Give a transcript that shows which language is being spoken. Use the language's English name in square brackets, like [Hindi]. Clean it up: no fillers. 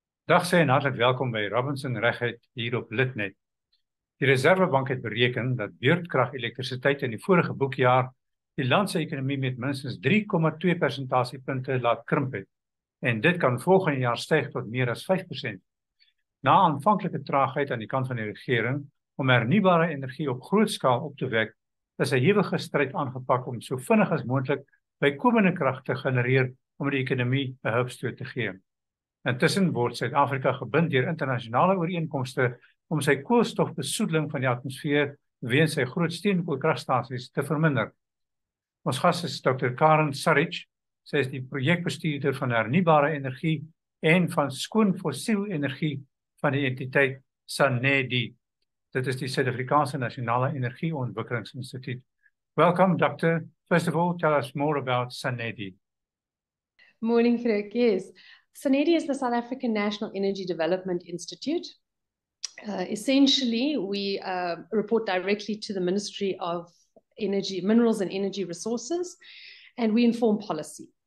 [Afrikaans] Dag sê en hartelijk welkom by Robinson Regheid hier op Litnet. Die Reservebank het bereken dat beurtkrag elektrisiteit in die vorige boekjaar die landse ekonomie met minstens 3,2 percentasiepunte laat krimp het en dit kan volgende jaar styg tot meer as 5%. Na aanvanklike traagheid aan die kant van die regering om hernieuwbare energie op grootskaal op te wek, is 'n hewige stryd aangepak om so vinnig as moontlik bykomende krag te genereer om die ekonomie 'n hupstoot te gee. Intussen word Suid-Afrika gebind deur internasionale ooreenkomste om sy koolstofbesoedeling van die atmosfeer weens sy groot steenkoolkragstasies te verminder. Ons gas is Dr. Karen Surridge. Sy is die projekbestuurder van hernieuwbare energie en van skoon fossiel energie van die entiteit SANEDI. Dit is die Suid-Afrikaanse Nasionale Energieontwikkelingsinstituut. [English] Welcome, Doctor. First of all, tell us more about SANEDI. Morning, Freek. Yes. SANEDI is the South African National Energy Development Institute. Essentially, we report directly to the Ministry of Energy, Minerals and Energy Resources, and we inform policy.